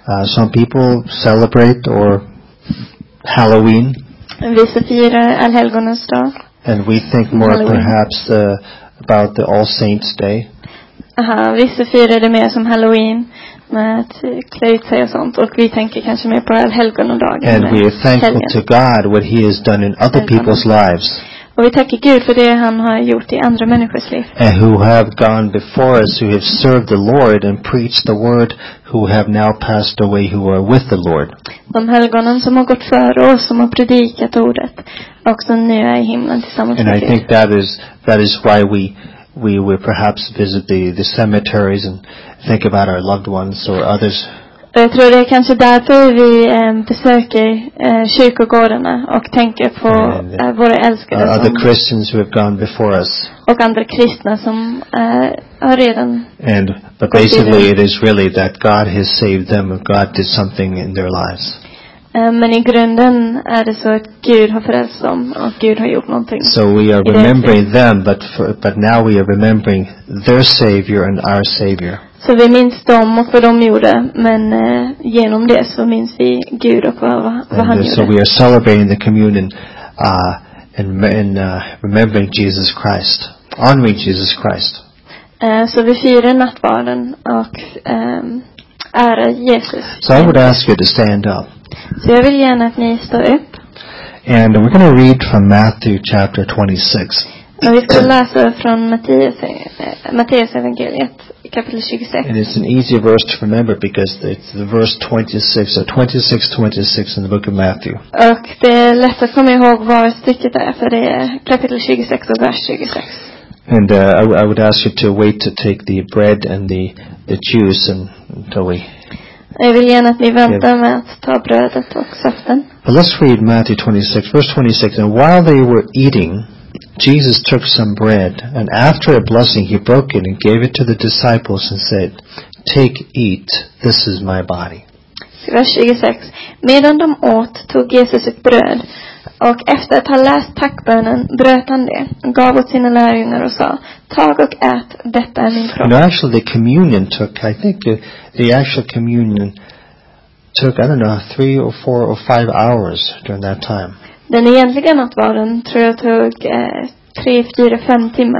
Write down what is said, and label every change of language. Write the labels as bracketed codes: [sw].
[en] Some people celebrate or Halloween. [sv] Vissa firar allhelgonas dag. [en] And we think more Halloween. Perhaps about the All Saints Day. [sv] Vissa firar det mer som Halloween med att klä ut sig och sånt, och vi tänker kanske mer på allhelgonadagen. [en] And we are thankful [sv] helgen. [en] To God what he has done in other people's lives. [sv] Och vi tackar Gud för det han har gjort i andra människors liv. [en] And who have gone before us, who have served the Lord and preached the word, who have now passed away, who are with the Lord. [sv] de helgonen som har gått före oss, som har predikat ordet, och som nu är i himlen tillsammans med Gud. [en] And I think that is why we will perhaps visit the cemeteries and think about our loved ones or others. [sv] Jag tror det är kanske därför vi besöker kyrkogårdarna och tänker på våra älskade [en] other Christians who have gone before us. [sv] Och andra kristna som har redan. [en] And but basically it is really that God has saved them and God did something in their lives. [sv] Men i grunden är det så att Gud har frälst dem och Gud har gjort någonting. [en] So we are remembering them, but now we are remembering their Savior and our Savior. [sv] Så vi minns dem och vad de gjorde, men genom det så minns vi Gud och vad han gjorde. [en] So we are celebrating the communion and remembering Jesus Christ, honoring Jesus Christ. [sv] Så vi firar nattvarden och ära Jesus. [en] So I would ask you to stand up. [sv] Så jag vill gärna att ni står upp. [en] And we're going to read from Matthew chapter 26. [sv] Och vi ska läsa från Matteus evangeliet kapitel 26. [en] And it's an easy verse to remember because it's the verse 26 or 26:26 in the book of Matthew. [sv] Och det är lätt att komma ihåg var stycket är, för det är kapitel 26 och vers 26. [en] And I would ask you to wait to take the bread and the juice until we. [sv] Jag vill gärna att ni väntar med att ta brödet och saften. [en] But let's read Matthew 26, verse 26. And while they were eating, Jesus took some bread, and after a blessing, he broke it and gave it to the disciples and said, "Take, eat, this is my body." [sv] Vers 26. Medan de åt, tog Jesus ett bröd, och efter att ha läst tackbönen, bröt han det, gav åt sina lärjungar och sa, "Tag och ät, detta är min kropp." [en] Now actually the communion took, I think the actual communion took, I don't know, 3 or 4 or 5 hours during that time. [sv] Den egentliga nattvarden tror jag tog 3, 4, 5 timmar.